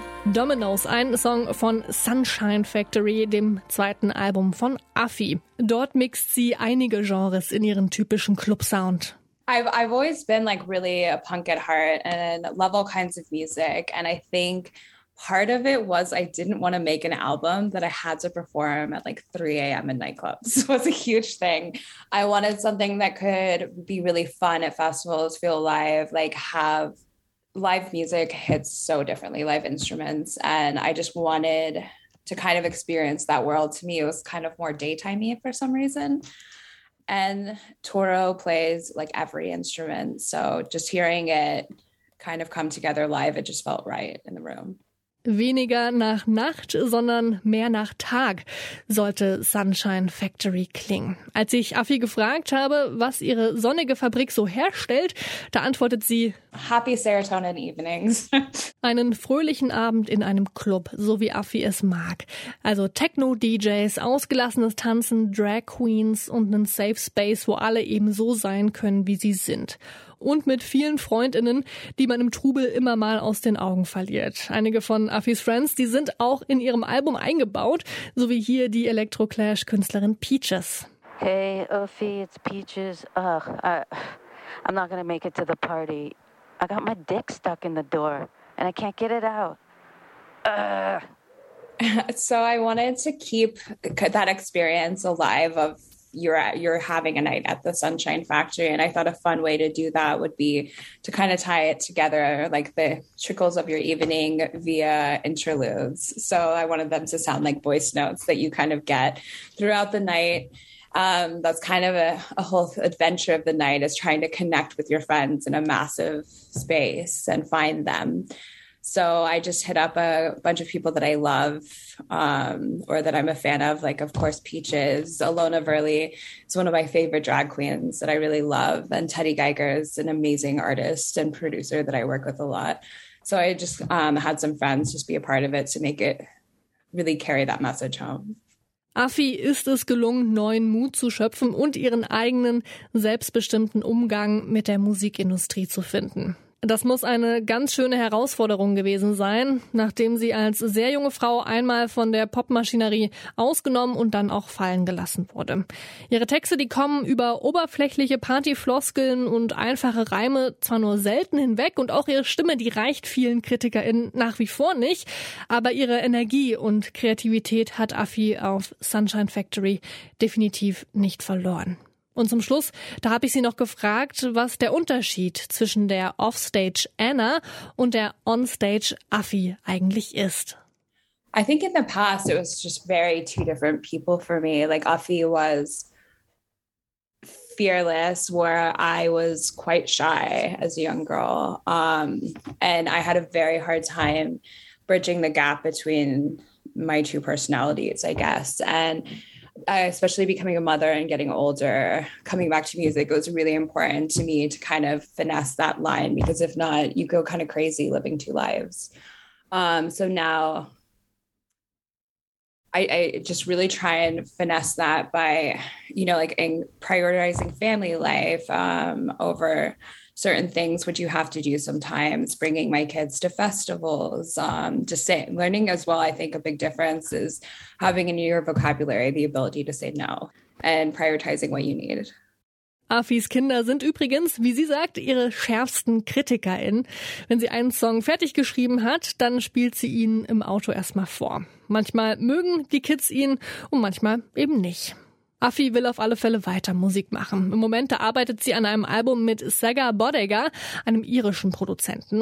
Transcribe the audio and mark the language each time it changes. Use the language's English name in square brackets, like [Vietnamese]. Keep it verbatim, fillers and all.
[German] Dominoes, ein Song von Sunshine Factory, dem zweiten Album von Afi. Dort mixt sie einige Genres in ihren typischen Club-Sound. [English] I've I've always been like really a punk at heart and love all kinds of music, and I think part of it was I didn't want to make an album that I had to perform at like three a.m. in nightclubs. It was a huge thing. I wanted something that could be really fun at festivals, feel live, like have live music hits so differently, live instruments. And I just wanted to kind of experience that world. To me, it was kind of more daytimey for some reason. And Toro plays like every instrument. So just hearing it kind of come together live, it just felt right in the room. [German] Weniger nach Nacht, sondern mehr nach Tag sollte Sunshine Factory klingen. Als ich Afi gefragt habe, was ihre sonnige Fabrik so herstellt, da antwortet sie: [English] Happy Serotonin Evenings. [German] Einen fröhlichen Abend in einem Club, so wie Afi es mag. Also Techno-D Js, ausgelassenes Tanzen, Drag Queens und einen Safe Space, wo alle eben so sein können, wie sie sind. Und mit vielen FreundInnen, die man im Trubel immer mal aus den Augen verliert. Einige von Affis Friends, die sind auch in ihrem Album eingebaut, so wie hier die Electroclash-Künstlerin Peaches. [English] Hey Affi, it's Peaches. Ugh, I, I'm not gonna make it to the party. I got my dick stuck in the door and I can't get it out. Ugh. So I wanted to keep that experience alive of You're at, you're having a night at the Sunshine Factory. And I thought a fun way to do that would be to kind of tie it together, like the trickles of your evening via interludes. So I wanted them to sound like voice notes that you kind of get throughout the night. Um, that's kind of a, a whole adventure of the night, is trying to connect with your friends in a massive space and find them. So I just hit up a bunch of people that I love um, or that I'm a fan of, like, of course, Peaches. Alona Verley is one of my favorite drag queens that I really love. And Teddy Geiger is an amazing artist and producer that I work with a lot. So I just um, had some friends just be a part of it to make it really carry that message home. [German] Afi ist es gelungen, neuen Mut zu schöpfen und ihren eigenen, selbstbestimmten Umgang mit der Musikindustrie zu finden. Das muss eine ganz schöne Herausforderung gewesen sein, nachdem sie als sehr junge Frau einmal von der Popmaschinerie ausgenommen und dann auch fallen gelassen wurde. Ihre Texte, die kommen über oberflächliche Partyfloskeln und einfache Reime zwar nur selten hinweg und auch ihre Stimme, die reicht vielen KritikerInnen nach wie vor nicht, aber ihre Energie und Kreativität hat Affi auf Sunshine Factory definitiv nicht verloren. Und zum Schluss, da habe ich sie noch gefragt, was der Unterschied zwischen der Offstage Anna und der Onstage Affi eigentlich ist. [English] I think in the past it was just very two different people for me. Like Affi was fearless, where I was quite shy as a young girl. Um, and I had a very hard time bridging the gap between my two personalities, I guess. And Uh, especially becoming a mother and getting older, coming back to music, it was really important to me to kind of finesse that line, because if not, you go kind of crazy living two lives. Um, so now I, I just really try and finesse that by, you know, like in prioritizing family life um, over certain things, which you have to do sometimes, bringing my kids to festivals, um, just say, learning as well. I think a big difference is having in your vocabulary the ability to say no and prioritizing what you need. [German] Affis Kinder sind übrigens, wie sie sagt, ihre schärfsten KritikerInnen. Wenn sie einen Song fertig geschrieben hat, dann spielt sie ihn im Auto erstmal vor. Manchmal mögen die Kids ihn und manchmal eben nicht. Affi will auf alle Fälle weiter Musik machen. Im Moment arbeitet sie an einem Album mit Sagar Bodega, einem irischen Produzenten.